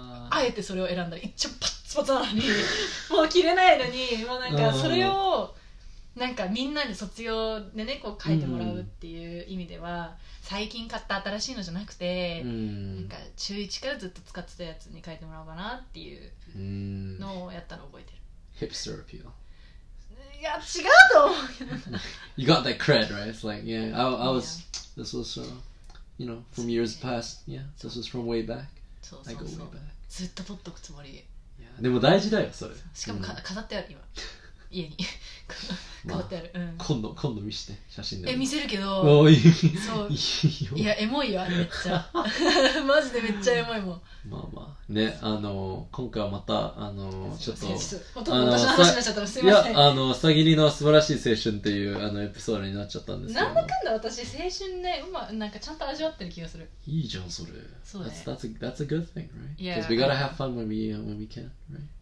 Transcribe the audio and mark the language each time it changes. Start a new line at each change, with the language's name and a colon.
Japanese: あえてそれを選んだら一応パッツパツなのにもう着れないのに、もうなんかそれをなんかみんなに卒業でねこう書いてもらうっていう意味では最近買った新しいのじゃなくてなんか中1からずっと使ってたやつに書いてもらおうかなっていうのをやったの覚えてる。ヒップスターアピール。いや違うと思う。
English: You got that cred, right? It's like, yeah, I was, this was, you know, from years past, yeah, this was from way back.
Japanese: そうそうそう。
English: I go way back.
Japanese: ずっと取っとくつもり。いやでも大事だよそれ。しかもか、うん、飾ってある今家に飾ってある、まあうん、今度見して写真で。え見せるけど。おいそういいよ。いやエモいよあれめっちゃマジでめっちゃエモいもん。まあまあね、あの今回はまたあのちょっと私の話になっちゃったらすいません。いやあのうさぎりの素晴らしい青春っていうあのエピソードになっちゃったんですけど、なんだかんだ私青春ね、うまなんかちゃんと味わってる気がする。いいじゃんそれ。そうだね。
English: That's a good thing, right? Yeah. Because we gotta have fun when we can, right?